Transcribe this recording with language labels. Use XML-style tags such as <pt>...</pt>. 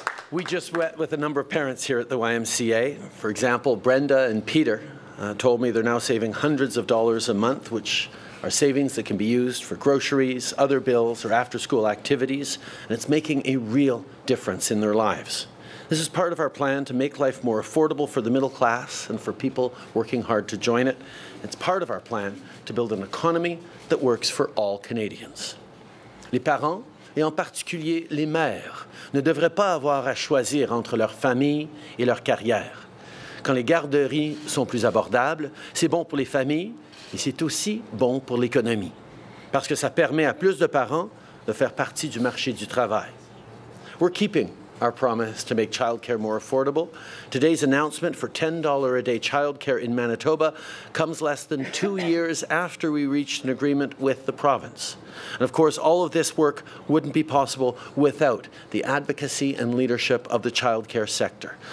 <en>We just met with a number of parents here at the YMCA. For example, Brenda and Peter told me they're now saving hundreds of dollars a month, which are savings that can be used for groceries, other bills, or after-school activities, and it's making a real difference in their lives. This is part of our plan to make life more affordable for the middle class and for people working hard to join it. It's part of our plan to build an economy that works for all Canadians.</en> <fr>Les parents, et en particulier les mères, ne devraient pas avoir à choisir entre leur famille et leur carrière. Quand les garderies sont plus abordables, c'est bon pour les familles, et c'est aussi bon pour l'économie, parce que ça permet à plus de parents de faire partie du marché du travail.</fr> <en>We're keeping our promise to make childcare more affordable. Today's announcement for $10 a day childcare in Manitoba comes less than 2 years after we reached an agreement with the province. And of course, all of this work wouldn't be possible without the advocacy and leadership of the childcare sector.</en>